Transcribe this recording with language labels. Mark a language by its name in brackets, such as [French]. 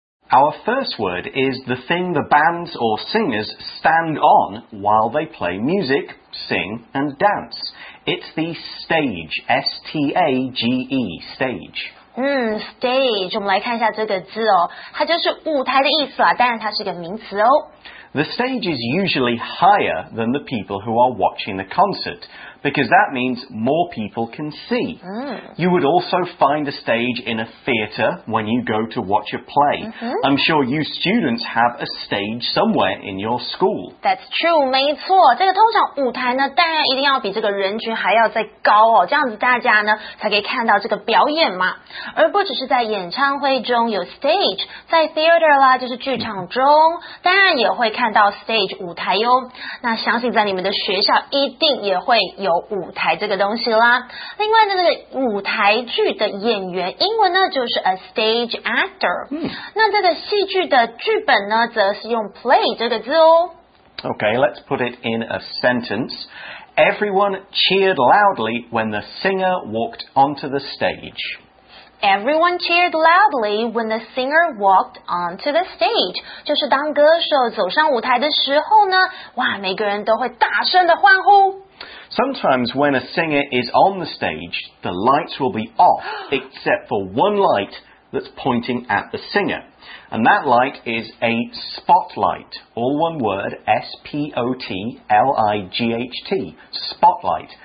[English] Our first word is the thing the bands or singers stand on while they play music. Sing and dance. It's the stage, S-T-A-G-E, stage. [Chinese] Stage, 我们来看一下这个字哦，它就是舞台的意思啦，当然它是个名词哦。 [English] The stage is usually higher than the people who are watching the concert, because that means more people can see. You would also find a stage in a theatre when you go to watch a play. I'm sure you students have a stage somewhere in your school. That's true, [Chinese] 没错。这个通常舞台呢，当然一定要比这个人群还要再高哦，这样子大家呢才可以看到这个表演嘛。而不只是在演唱会中有 stage, 在 theatre 啦，就是剧场中，当然也会看到 stage 舞台哟，那相信在你们的学校一定也会有舞台这个东西啦。另外呢，这个舞台剧的演员，英文呢就是 [English] a stage actor。 [Chinese] 那这个戏剧的剧本呢，则是用 play 这个字哦。 [English] Okay, let's put it in a sentence. Everyone cheered loudly when the singer walked onto the stage. Everyone cheered loudly when the singer walked onto the stage. [Chinese] 就是当歌手走上舞台的时候呢，哇，每个人都会大声的欢呼。 [English] Sometimes when a singer is on the stage, the lights will be off except for one light that's pointing at the singer. And that light is a spotlight. All one word, S-P-O-T-L-I-G-H-T, spotlight.